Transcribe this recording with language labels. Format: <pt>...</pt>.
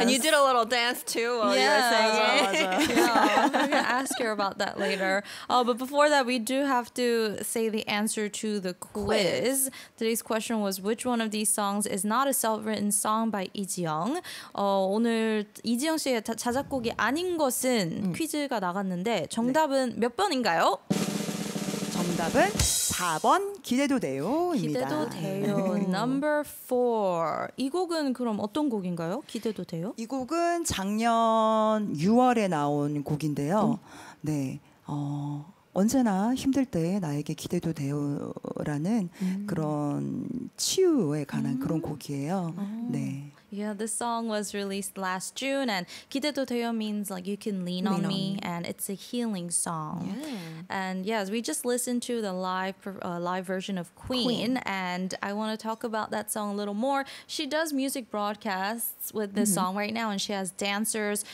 <en>And you did a little dance too while you were saying it. Yeah. I'm going to ask you about that later. But before that, we do have to say the answer to the quiz. Today's question was, which one of these songs is not a self-written song by 이지영?</en> <ko>오늘 이지영 씨의 자작곡이 아닌 것은 퀴즈가 나갔는데 정답은 네. 몇 번인가요? 정답은 4번 기대도 돼요입니다. 기대도 돼요.</ko> <en>Number 4.</en> <ko>이 곡은 그럼 어떤 곡인가요? 기대도 돼요? 이 곡은 작년 6월에 나온 곡인데요. 네. 언제나 힘들 때 나에게 기대도 돼요라는 그런 치유에 관한 그런 곡이에요. 네.</ko> <en>Yeah, this song was released last June, and 기대도 돼요 means like you can lean on me, and it's a healing song. Yeah. And yes, we just listened to the live version of Queen, and I want to talk about that song a little more. She does music broadcasts with this song right now, and she has dancers.</en>